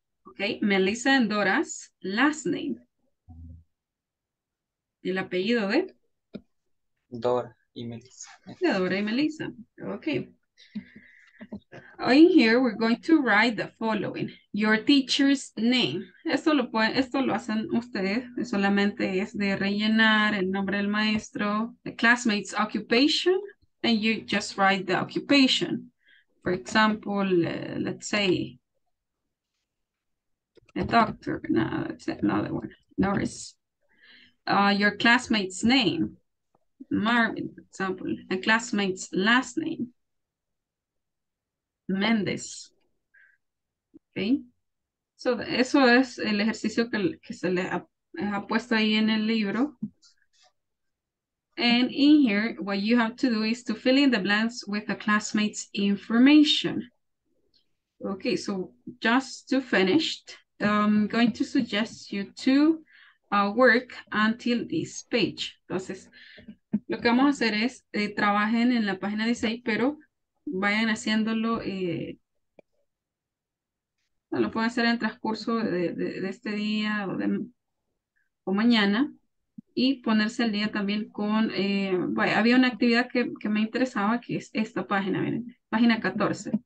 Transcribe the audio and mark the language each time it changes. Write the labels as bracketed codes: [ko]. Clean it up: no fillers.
[en] Okay, Melissa and Dora's last name. [es] El apellido de? Dora y Melissa. Dora y Melissa. [en] Okay. In here, we're going to write the following. Your teacher's name. [es] Esto lo hacen ustedes. Solamente es de rellenar el nombre del maestro. [en] The classmate's occupation. And you just write the occupation. For example, let's say a doctor. No, that's another one. Nurse. Your classmate's name. Marvin, for example, a classmate's last name, Mendez. [es] Okay, so eso es el ejercicio que se le ha puesto ahí en el libro. [en] And in here, what you have to do is to fill in the blanks with the classmate's information. Okay, so just to finish, I'm going to suggest you to work until this page. [es] Entonces, lo que vamos a hacer es trabajen en la página 16, pero vayan haciéndolo, lo pueden hacer en transcurso de este día o mañana, y ponerse al día también con, había una actividad que me interesaba, que es esta página, miren, página 14.